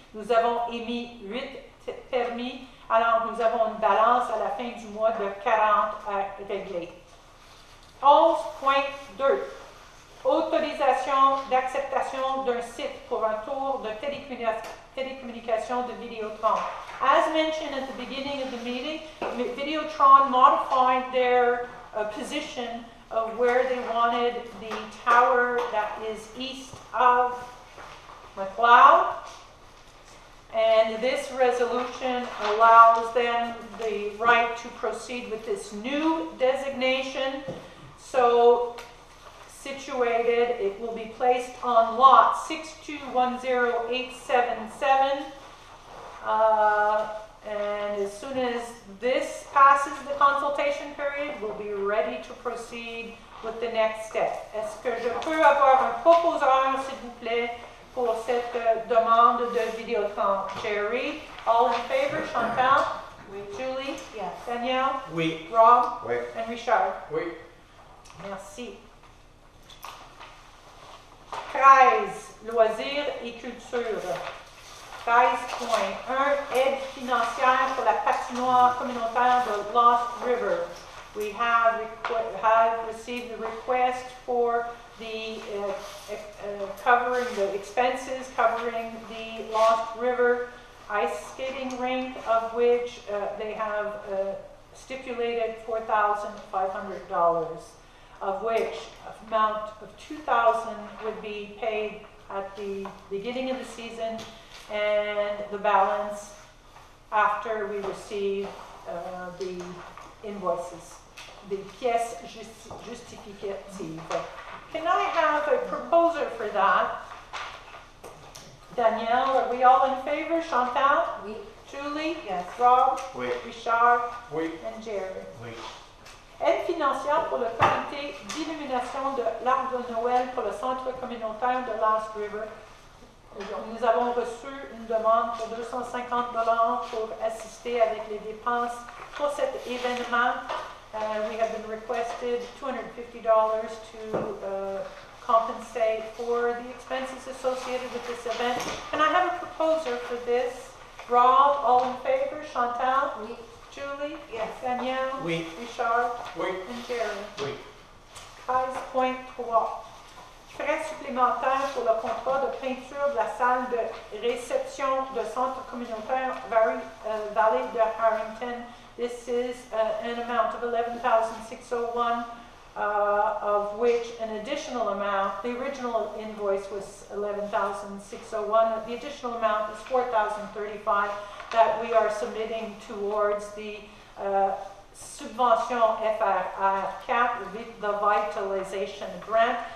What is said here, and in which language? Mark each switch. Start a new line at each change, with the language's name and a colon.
French: Nous avons émis 8 permis. Alors, nous avons une balance à la fin du mois de 40 à régler. 11.2. Autorisation d'acceptation d'un site pour un tour de télécommunication de Videotron.
English: As mentioned at the beginning of the meeting, Videotron modified their position of where they wanted the tower that is east of McLeod. And this resolution allows them the right to proceed with this new designation. So situated, it will be placed on lot 6210877. And as soon as this passes the consultation period, we'll be ready to proceed with the next step.
French: Est-ce que je peux avoir un proposeur, s'il vous plaît, pour cette demande de Videotron?
English: Jerry, all in favor? Chantal?
French: Oui.
English: Julie? Yes. Danielle?
French: Oui.
English: Rob?
French: Oui.
English: And Richard?
French: Oui. Merci. 13, loisirs et culture. 13.1, aide financière pour la patinoire communautaire de Lost River.
English: We have received a request for the covering the expenses, covering the Lost River ice skating rink, of which they have stipulated $4,500, of which an amount of $2,000 would be paid at the beginning of the season, and the balance after we receive the invoices, the
French: pièces justificatives.
English: Can I have a proposer for that? Danielle, are we all in favor? Chantal?
French: Oui.
English: Julie? Yes. Rob?
French: Oui.
English: Richard?
French: Oui.
English: And Jerry?
French: Oui. Aide financière pour le comité d'illumination de l'Arbre de Noël pour le centre communautaire de Lost River. Nous avons reçu une demande pour $250 pour assister avec les dépenses pour cet événement.
English: We have been requested $250 to compensate for the expenses associated with this event. Can I have a proposer for this? Rob, all in favor? Chantal?
French: Oui.
English: Julie? Yes. Danielle?
French: Oui.
English: Richard?
French: Oui.
English: And Jeremy?
French: Oui. 13.3. frais supplémentaires pour le contrat de peinture de la salle de réception de centre communautaire Valley de Harrington.
English: This is an amount of $11,601, of which an additional amount, the original invoice was $11,601, the additional amount is $4,035 that we are submitting towards the Subvention FRR4, the Vitalization Grant.